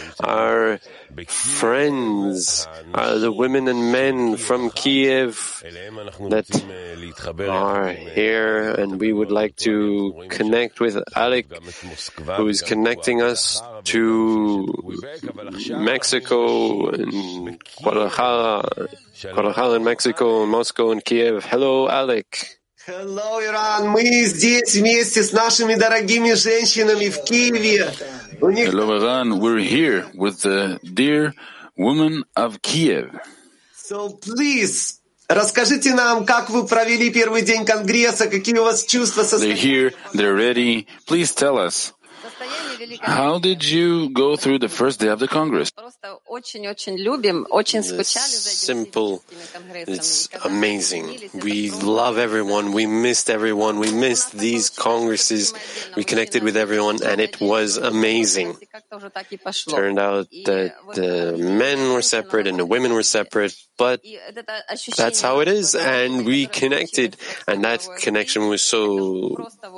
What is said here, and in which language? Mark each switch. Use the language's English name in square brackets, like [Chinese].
[English] Our friends are the women and men from Kiev that are here, and we would like to connect with Alec, who is connecting us to Mexico and Guadalajara in Mexico, and Moscow and Kiev. Hello, Alec. Hello, Iran. [Russian] Мы здесь вместе с нашими дорогими женщинами в Киеве. [English] Hello, Iran. We're here with the dear woman of Kiev. So please, [Russian] расскажите нам, как вы провели первый день конгресса, какие у вас чувства. [English] They're here. They're ready. Please tell us. How did you go through the first day of the Congress? It's simple. It's amazing. We love everyone. We missed everyone. We missed these congresses. We connected with everyone, and it was amazing. Turned out that the men were separate and the women were separate, but that's how it is, and we connected, and that connection was so